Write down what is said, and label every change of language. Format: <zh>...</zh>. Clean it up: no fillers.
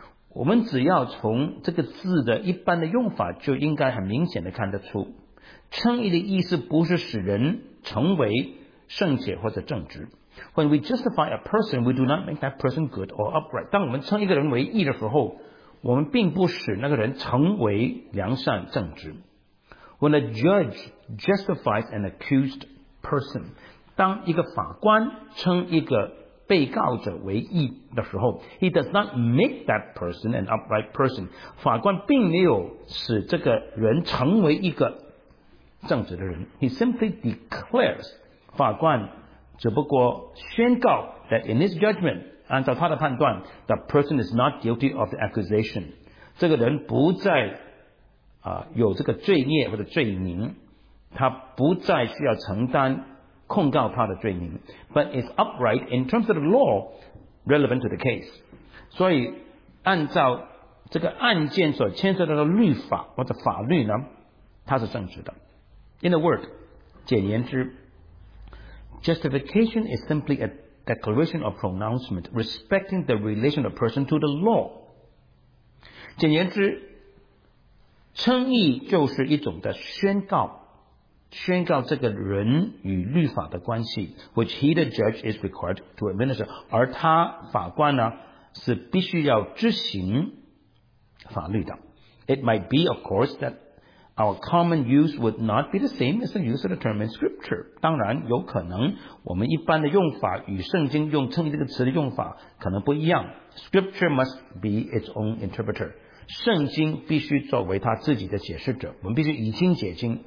<zh>我们只要从这个字的一般的用法就应该很明显的看得出，称义的意思不是使人成为圣洁或者正直。</zh> <en>When we justify a person, we do not make that person good or upright.</en> <zh>当我们称一个人为义的时候，我们并不使那个人成为良善正直。</zh> <en>When a judge justifies an accused person,</en> <zh>当一个法官称一个被告者为义的时候，</zh> <en>he does not make that person an upright person.</en> <zh>法官并没有使这个人成为一个正直的人。</zh> <en>He simply declares,</en> <zh>法官只不过宣告</zh> <en>that in his judgment,</en> <zh>按照他的判断，</zh> <en>the person is not guilty of the accusation.</en> <zh>这个人不再有这个罪孽或者罪名，他不再需要承担控告他的罪名。</zh> <en>But it's upright in terms of the law relevant to the case.</en> <zh>所以按照这个案件所牵涉到的律法或者法律呢，他是正直的。</zh> <en>In a word,</en> <zh>简言之，</zh> <en>justification is simply a declaration or pronouncement respecting the relation of person to the law.</en> <zh>简言之，称义就是一种的宣告，宣告这个人与律法的关系，</zh> <en>which he the judge is required to administer.</en> <zh>而他法官呢，是必须要执行法律的。</zh> <en>It might be, of course, thatOur common use would not be the same as the use of the term in Scripture.</en> <zh>当然有可能我们一般的用法与圣经用称义这个词的用法可能不一样。</zh> <en>Scripture must be its own interpreter.</en> <zh>圣经必须作为它自己的解释者，我们必须以经解经。</zh>